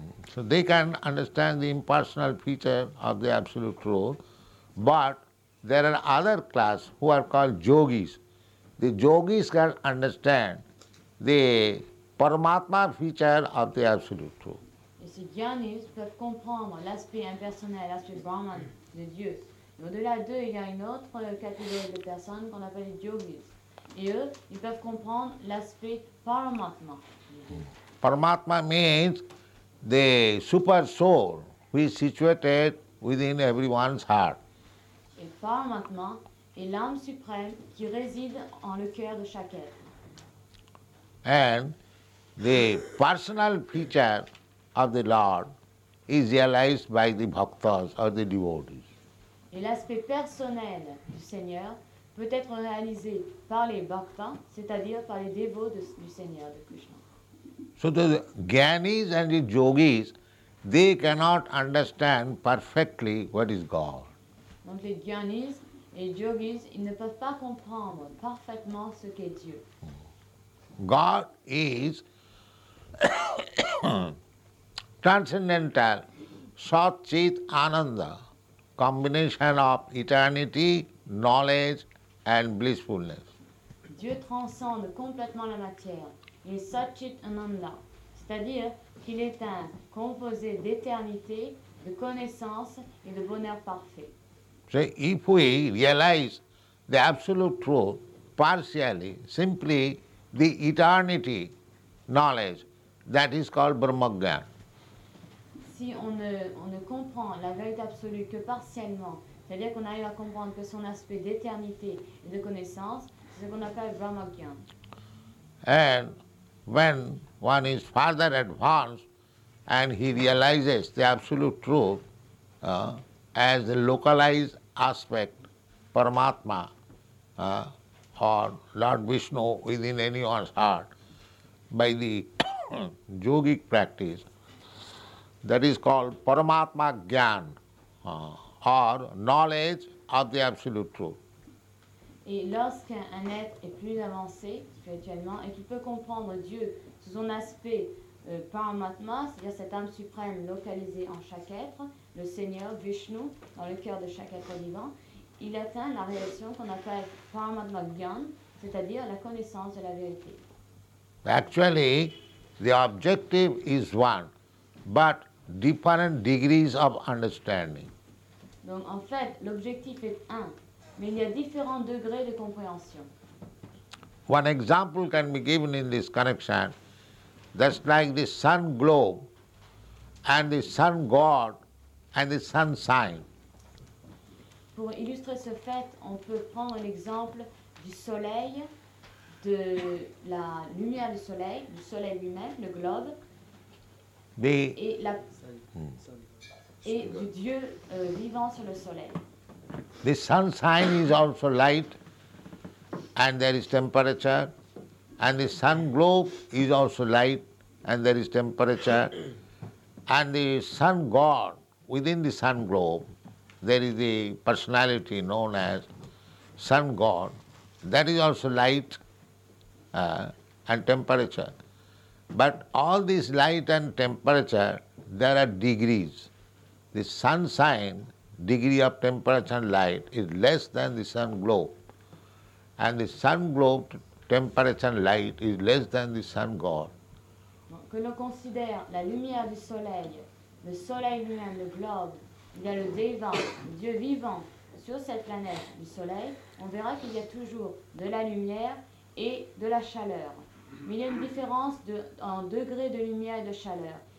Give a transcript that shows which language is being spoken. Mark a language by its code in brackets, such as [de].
[en] So they can understand the impersonal feature of the absolute truth, but there are other class who are called yogis. The yogis can understand the paramatma feature of the absolute truth. [fr] Et ces Gyanis peuvent comprendre l'aspect impersonnel, l'aspect Brahman de Dieu. Au-delà d'eux, il y a une autre catégorie de personnes qu'on appelle les yogis. Et eux, ils peuvent comprendre l'aspect paramatma. [en] Paramatma means the super soul who is situated within everyone's heart. [fr] Et paramatma est l'âme suprême qui réside en le cœur de chaque être. [en] And the personal feature of the Lord is realized by the bhaktas or the devotees. [fr] Et l'aspect personnel du Seigneur peut être réalisé par les bhaktas, c'est-à-dire par les dévots du Seigneur, de Krishna. [en] So the gyanis and the yogis, they cannot understand perfectly what is God. [fr] Donc les gyanis et les yogis, ils ne peuvent pas comprendre parfaitement ce qu'est Dieu. [en] God is transcendental, sat, chit, ananda. Combination of eternity, knowledge, and blissfulness. [fr] Dieu transcende complètement la matière. Il est Satchit Ananda, c'est-à-dire qu'il est un composé d'éternité, de connaissance et de bonheur parfait. [en] So if we realize the absolute truth partially, simply the eternity knowledge, that is called Brahmagyan. [fr] Si on ne comprend la vérité absolue que partiellement, c'est-à-dire qu'on arrive à comprendre que son aspect d'éternité et de connaissance, c'est ce qu'on appelle Brahmagyan. [en] And when one is further advanced and he realizes the absolute truth as the localized aspect, Paramatma, or Lord Vishnu within anyone's heart, by the yogic practice, that is called Paramatma Gyan, or knowledge of the absolute truth. [fr] Et lorsqu'un être est plus avancé spirituellement et qu'il peut comprendre Dieu sous son aspect Paramatma, c'est-à-dire cette âme suprême localisée en chaque être, le Seigneur Vishnu dans le cœur de chaque être vivant, il atteint la réalisation qu'on appelle Paramatma Gyan, c'est-à-dire la connaissance de la vérité. [en] Actually, The objective is one, but different degrees of understanding. [fr] Donc en fait, l'objectif est un, mais il y a différents degrés de compréhension. [en] One example can be given in this connection. That's like the sun globe and the sun god and the sun sign. [fr] Pour illustrer ce fait, on peut prendre l'exemple du soleil, de la lumière du soleil lui-même, le globe, et du dieu vivant sur le soleil. [en] The sun sign is also light, and there is temperature, and the sun globe is also light, and there is temperature, and the sun god within the sun globe, there is the personality known as sun god, that is also light and temperature. But all this light and temperature, there are degrees. The sun sign, degree of temperature and light, is less than the sun globe. And the sun globe, temperature and light, is less than the sun god. [fr] Que l'on considère la lumière du soleil lui-même, le globe, il y a le Deva, le Dieu vivant, sur cette planète du soleil, on verra qu'il y a toujours de la lumière et de la chaleur. Mais il y a une différence en degré de lumière et de chaleur.